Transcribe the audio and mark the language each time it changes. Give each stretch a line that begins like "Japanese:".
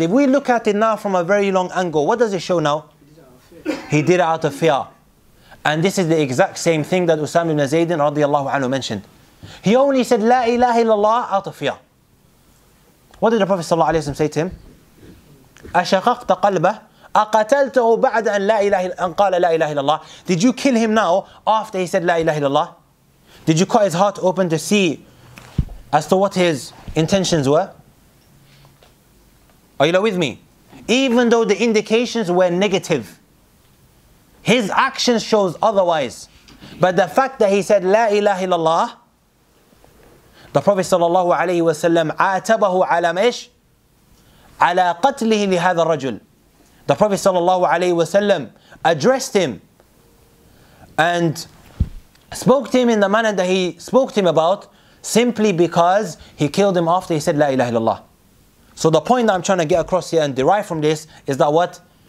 English: If we look at it now from a very long angle, what does it show now? He did it out of fear. And this is the exact same thing that Usama ibn Zayd radiallahu anhu mentioned. He only said,
Arabic: La ilaha illallah,
English: out of fear. What did the Prophet
Arabic: صلى الله عليه وسلم
English: say to him?
Arabic: أشققت قلبه أقتلته بعد أن لا إله أن قال لا إله إلا الله.
English: Did you kill him now after he said
Arabic: لا إله إلا الله?
English: Did you cut his heart open to see as to what his intentions were? Are you with me? Even though the indications were negative, his actions shows otherwise. But the fact that he said
Arabic: لا إله إلا الله,
English: the Prophet
Arabic: صلى الله عليه وسلم عاتبه على مش على قتله لهذا الرجل.
English: The Prophet
Arabic: صلى الله عليه وسلم
English: addressed him and spoke to him in the manner that he spoke to him about, simply because he killed him after he said
Arabic: لا إله إلا الله.
English: So the point that I'm trying to get across here and derive from this is that what?